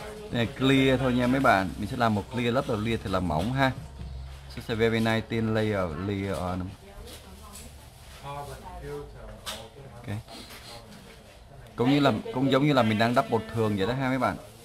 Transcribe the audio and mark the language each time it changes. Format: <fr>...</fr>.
<vi>Này, clear thôi nha mấy bạn. Mình sẽ làm một clear, lớp đầu clear thì là mỏng ha.</vi> <en>So it's a very nice thin layer, layer on. Ok.</en> <vi>Cũng giống như là mình đang đắp bột thường vậy đó ha mấy bạn.</vi>